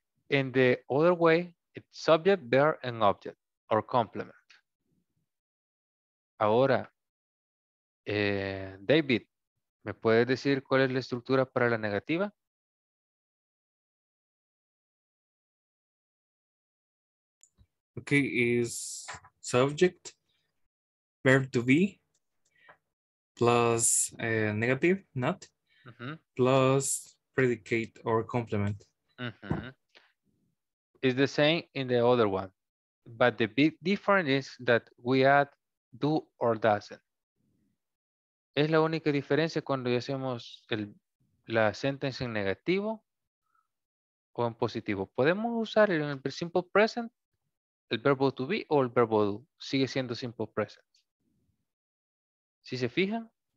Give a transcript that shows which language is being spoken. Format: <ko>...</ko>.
<en>In the other way, it's subject, verb, and object, or complement.</en> <es>Ahora, David, ¿me puedes decir cuál es la estructura para la negativa?</es> <en>Okay, is subject, verb to be, plus negative, not. Mm-hmm. Plus predicate or complement. Mm-hmm. It's the same in the other one. But the big difference is that we add do or doesn't.</en> <es>Es la única diferencia cuando hacemos la sentence en negativo o en positivo. Podemos usar en el simple present el verbo to be o el verbo do. Sigue siendo simple present. Si se fijan,</es>